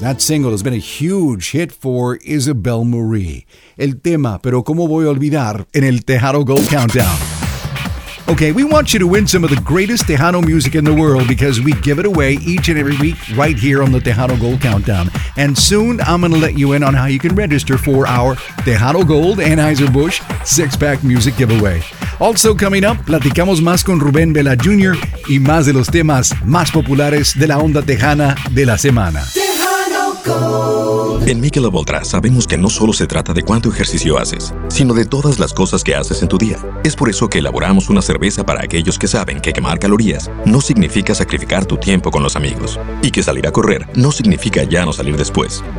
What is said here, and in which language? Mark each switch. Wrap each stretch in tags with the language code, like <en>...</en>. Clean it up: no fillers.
<en>That single has been a huge hit for Isabel Marie.</en> <es>El tema, pero cómo voy a olvidar, en el Tejano Gold Countdown.</es> <en>Okay, we want you to win some of the greatest Tejano music in the world because we give it away each and every week right here on the Tejano Gold Countdown. And soon, I'm going to let you in on how you can register for our Tejano Gold Anheuser-Busch six-pack music giveaway. Also coming up,</en> <es>platicamos más con Rubén Vela Jr. y más de los temas más populares de la onda tejana de la semana.</es> <en>Tejano Gold.</en> <es>En Michelob Ultra sabemos que no solo se trata de cuánto ejercicio haces, sino de todas las cosas que haces en tu día. Es por eso que elaboramos una cerveza para aquellos que saben que quemar calorías no significa sacrificar tu tiempo con los amigos y que salir a correr no significa ya no salir después.</es>